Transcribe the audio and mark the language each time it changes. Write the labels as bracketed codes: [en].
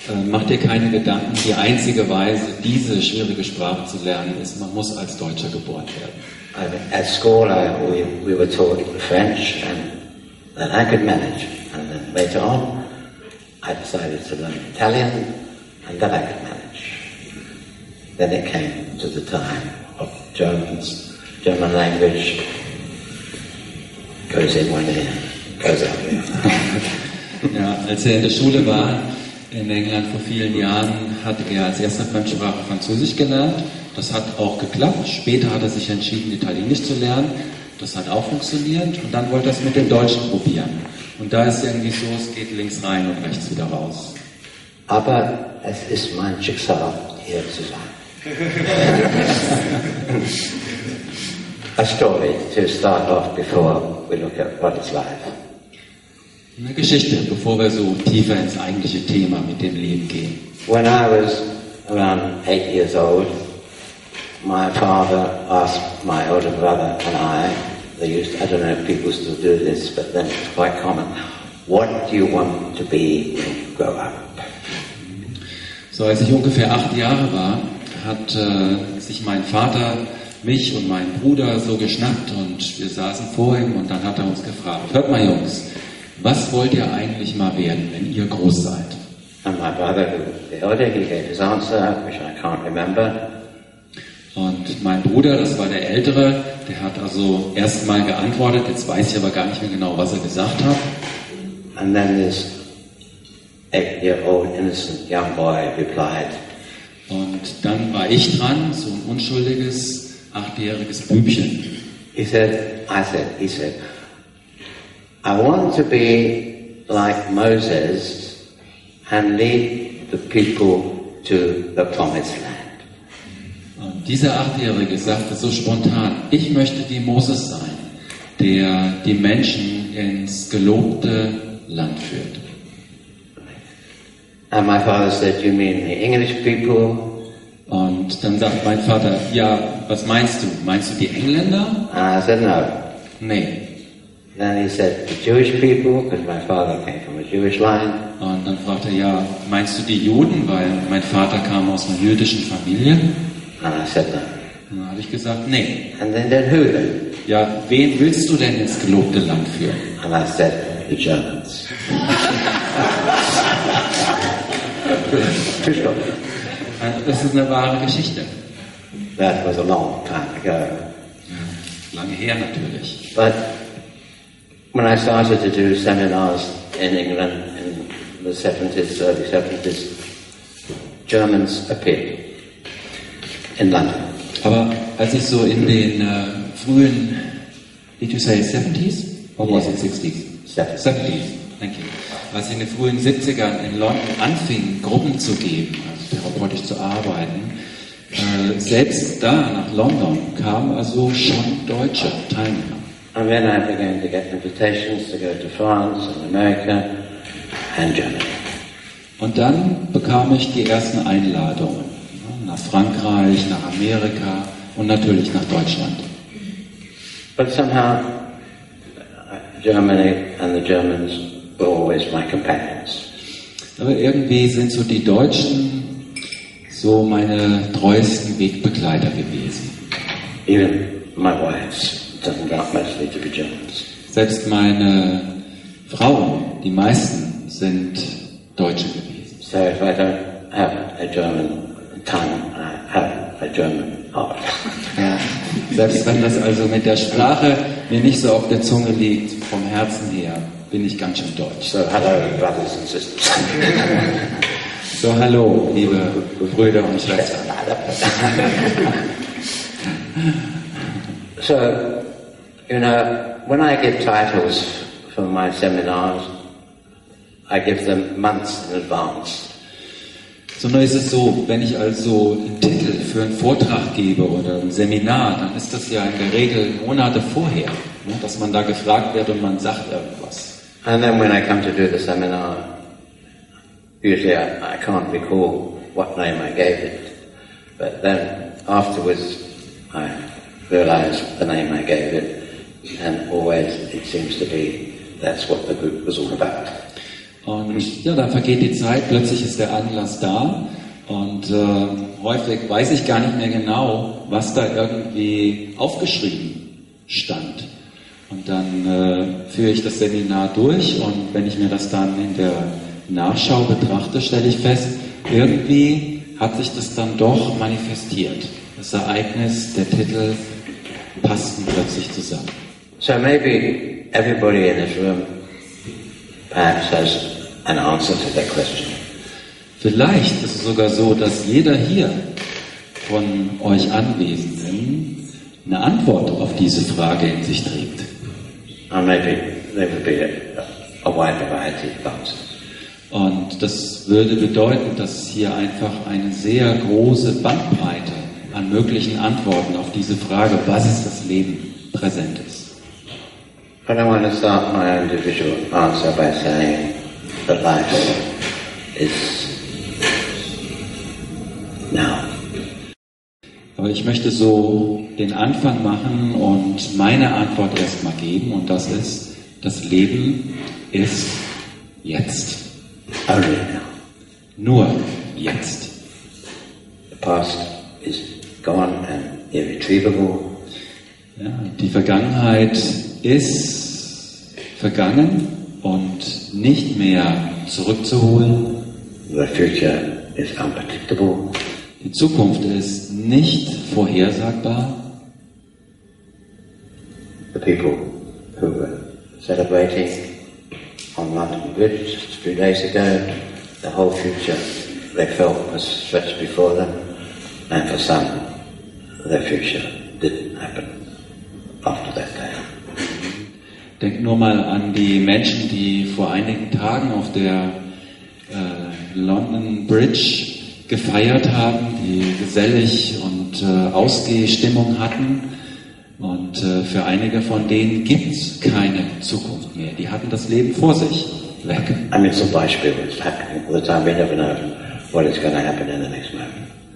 [de] Mach dir keine Gedanken, die einzige Weise, diese schwierige Sprache zu lernen, ist, man muss als Deutscher geboren werden. [en] I mean, at school, we were taught French, and then I could manage. And then later on, I decided to learn Italian, and then I could manage. Then it came to the time of Germans. German language goes in one ear, goes out the other. [de] Ja, als er in der Schule war, in England vor vielen Jahren, hat er als erste Fremdsprache Französisch gelernt. Das hat auch geklappt. Später hat er sich entschieden, Italienisch zu lernen. Das hat auch funktioniert. Und dann wollte er es mit dem Deutschen probieren. Und da ist es irgendwie so, es geht links rein und rechts wieder raus. Aber es ist mein Schicksal, hier zu sein. [en] A story to start off before we look at what is life. [de] Eine Geschichte, bevor wir so tiefer ins eigentliche Thema mit dem Leben gehen. [en] When I was around 8 years old, my father asked my older brother and I, I don't know if people still do this, but then it's quite common, what do you want to be when you grow up? [de] So als ich ungefähr 8 Jahre war, hat sich mein Vater mich und meinen Bruder so geschnappt und wir saßen vor ihm und dann hat er uns gefragt, hört mal Jungs, was wollt ihr eigentlich mal werden, wenn ihr groß seid? [en] And my brother, the elder, he gave his answer, which I can't remember. [de] Und mein Bruder, das war der Ältere, der hat also erst mal geantwortet, jetzt weiß ich aber gar nicht mehr genau, was er gesagt hat. [en] And then this 8-year-old innocent young boy replied. [de] Und dann war ich dran, so ein unschuldiges, 8-jähriges Bübchen. [en] He said, I want to be like Moses and lead the people to the promised land. [de] Und dieser 8-Jährige sagte so spontan, ich möchte wie Moses sein, der die Menschen ins gelobte Land führt. [en] And my father said, you mean the English people? [de] Und dann sagt mein Vater, ja, was meinst du? Meinst du die Engländer? [en] And I said, no. [de] Nee. [en] Then he said, the Jewish people, because my father came from a Jewish line. [de] Und dann fragte er, ja, meinst du die Juden, weil mein Vater kam aus einer jüdischen Familie? [en] And I said, no. [de] Dann habe ich gesagt, nee. [en] And then who then? [de] Ja, wen willst du denn ins gelobte Land führen? [en] And I said, the Germans. [de] Das ist eine wahre Geschichte. [en] That was a long time ago. [de] Lange her natürlich. [en] But when I started to do seminars in England in the 70s, early 70s, Germans appeared in London. [de] Aber als ich so in den frühen, [en] did you say 70s? Or was it 60s? 70s. 70s, thank you. [de] Als ich in den frühen 70ern in London anfing, Gruppen zu geben, also therapeutisch zu arbeiten, selbst da nach London kamen also schon deutsche Teilnehmer. [en] And then I began to get invitations to go to France and America and Germany. [de] Und dann bekam ich die ersten Einladungen nach Frankreich, nach Amerika und natürlich nach Deutschland. [en] But somehow Germany and the Germans were always my companions. [de] Aber irgendwie sind so die Deutschen so meine treuesten Wegbegleiter gewesen. [en] Even my wives. Mostly to be Germans. [de] Selbst meine Frauen, die meisten, sind Deutsche gewesen. [en] So if I don't have a German tongue, I have a German heart. [de] Ja. Selbst wenn das also mit der Sprache mir nicht so auf der Zunge liegt, vom Herzen her, bin ich ganz schön deutsch. [en] So hello, brothers and sisters. [de] So hallo, liebe Brüder und Schwestern. [en] So, you know, when I give titles for my seminars, I give them months in advance. [de] So nun ist es so, wenn ich also einen Titel für einen Vortrag gebe oder ein Seminar, dann ist das ja in der Regel Monate vorher, ne, dass man da gefragt wird und man sagt irgendwas. [en] And then when I come to do the seminar, usually I can't recall what name I gave it, but then afterwards I realize the name I gave it. And always it seems to be that's what the group was all about. [de] Und ja, dann vergeht die Zeit, plötzlich ist der Anlass da und häufig weiß ich gar nicht mehr genau, was da irgendwie aufgeschrieben stand. Und dann führe ich das Seminar durch und wenn ich mir das dann in der Nachschau betrachte, stelle ich fest, irgendwie hat sich das dann doch manifestiert. Das Ereignis, der Titel, passten plötzlich zusammen. [en] So maybe everybody in this room perhaps has an answer to that question. [de] Vielleicht ist es sogar so, dass jeder hier von euch Anwesenden eine Antwort auf diese Frage in sich trägt. [en] Or maybe there would be a wide variety of answers. [de] Und das würde bedeuten, dass es hier einfach eine sehr große Bandbreite an möglichen Antworten auf diese Frage, was ist das Leben, präsent ist. [en] But I want to start my individual answer by saying that life is now. [de] Aber ich möchte so den Anfang machen und meine Antwort erstmal geben und das ist, das Leben ist jetzt. [en] Only now. [de] Nur jetzt. [en] The past is gone and irretrievable. [de] Ja, die Vergangenheit ist vergangen und nicht mehr zurückzuholen. [en] The future is unpredictable. [de] Die Zukunft ist nicht vorhersagbar. [en] The people who were celebrating on London Bridge just a few days ago, the whole future they felt was stretched before them, and for some, their future didn't happen after that day. [de] Denk nur mal an die Menschen, die vor einigen Tagen auf der London Bridge gefeiert haben, die gesellig und Ausgehstimmung hatten. Und für einige von denen gibt es keine Zukunft mehr. Die hatten das Leben vor sich weg. [en] I mean, [de] zum Beispiel, [en] it's happening all the time. We never know what is going to happen in the next moment.